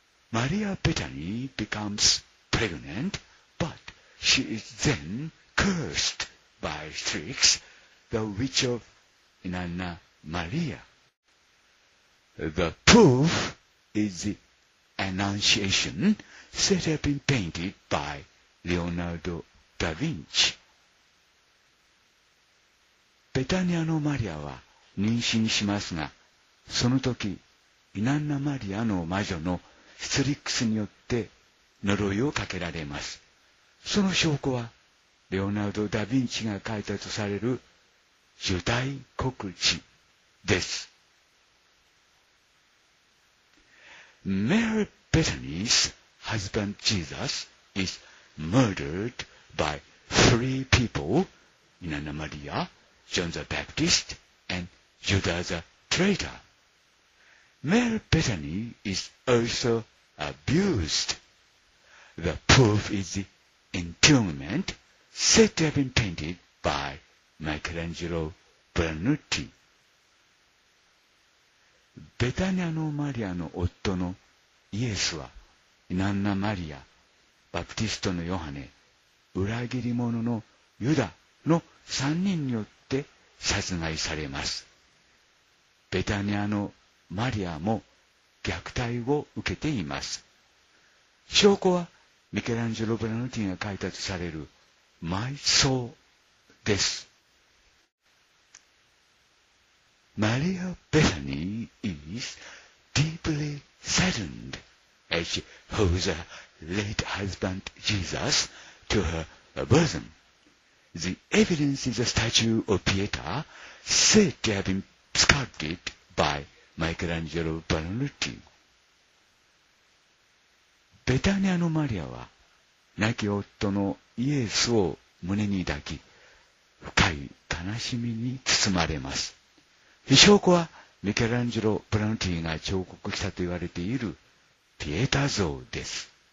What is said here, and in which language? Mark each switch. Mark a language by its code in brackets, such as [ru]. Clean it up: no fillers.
[en] マリア・ベタニー becomes pregnant, but she is then cursed by Strix, the witch of Inanna Maria. The proof is the Annunciation, said to have been painted by Leonardo da Vinci. [ja] ベタニアのマリアは妊娠しますが、その時、イナンナ・マリアの魔女のストリックスによって呪いをかけられます。その証拠は、レオナルド・ダ・ヴィンチが書いたとされる受胎告知です。 [en] Mary Bethany's husband Jesus is murdered by three people, Inanna Maria, John the Baptist, and Judas the traitor. Mary Bethany is also abused. The proof is the entombment said to have been painted by Michelangelo Buonarroti. [ja] ベタニアのマリアの夫のイエスは、イナンナ・マリア、バプティストのヨハネ、裏切り者のユダの3人によって殺害されます。ベタニアのマリアも虐待を受けています。証拠はミケランジェロ・ブラノティが書いたとされる埋葬です。 [en] Maria Bethany is deeply saddened as she holds her late husband Jesus to her bosom. The evidence is a statue of Pietà said to have been sculpted by Michelangelo Buonarroti. [ja] ベタニアのマリアは亡き夫のイエスを胸に抱き、深い悲しみに包まれます。証拠はミケランジェロ・ブラノティが彫刻したと言われているピエタ像です。